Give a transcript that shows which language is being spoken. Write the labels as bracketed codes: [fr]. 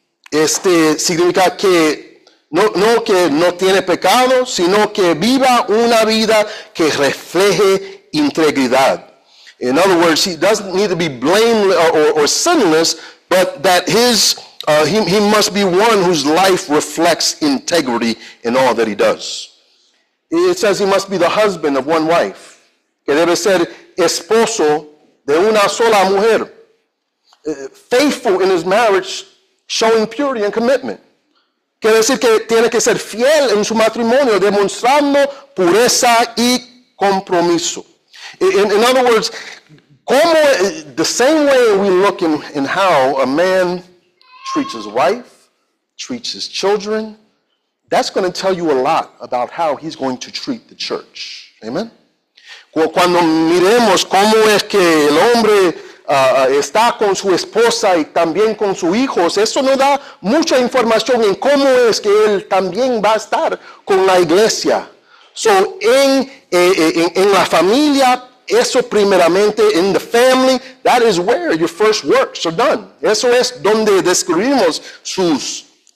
[es] Este significa que no que no tiene pecado, sino que viva una vida que refleje integridad. [en] In other words, he doesn't need to be blameless or sinless, but that he must be one whose life reflects integrity in all that he does. It says he must be the husband of one wife. [es] Que debe ser esposo de una sola mujer. [en] Faithful in his marriage, showing purity and commitment. [es] Quiere decir que tiene que ser fiel en su matrimonio, demostrando pureza y compromiso. [en] In other words, como, the same way we look in how a man treats his wife, treats his children, That's going to tell you a lot about how he's going to treat the church. Amen. [es] Cuando miremos cómo es que el hombre está con su esposa y también con sus hijos, eso nos da mucha información en cómo es que él también va a estar con la iglesia. [en] So, [es] en la familia, eso primeramente, [en] in the family, that is where your first works are done. [es] Eso es donde describimos sus